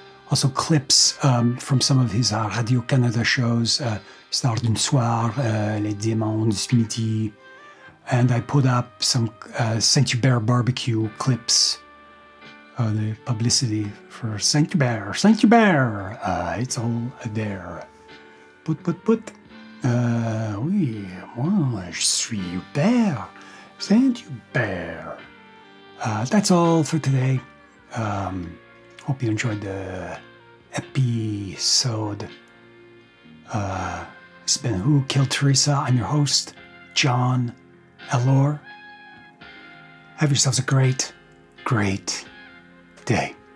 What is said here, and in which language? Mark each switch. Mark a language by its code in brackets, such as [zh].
[en] Also clips from some of his Radio-Canada shows, Star d'un soir, Les Dimanches midi, and I put up some Saint-Hubert barbecue clips, the publicity for Saint-Hubert, it's all there. Put. [fr] Oui, moi, je suis Hubert, Saint-Hubert. [en] That's all for today. Hope you enjoyed the episode. It's been Who Killed Teresa. I'm your host, John Elor. Have yourselves a great, great day.